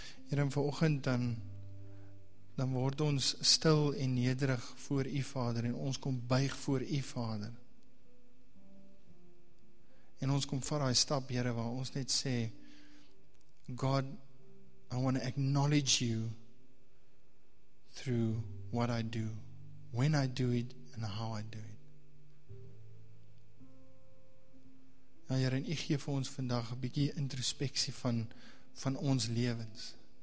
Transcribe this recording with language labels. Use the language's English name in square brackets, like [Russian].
[Afrikaans] Here, vir oggend dan word ons stil en nederig voor U Vader en ons kom buig voor U Vader. En ons kom vir daai stap, Here, waar ons net sê, [English] God, I want to acknowledge You through what I do, when I do it and how I do it. [Afrikaans] Ja, Here, en U gee vir ons vandag 'n bietjie introspeksie van ons lewens.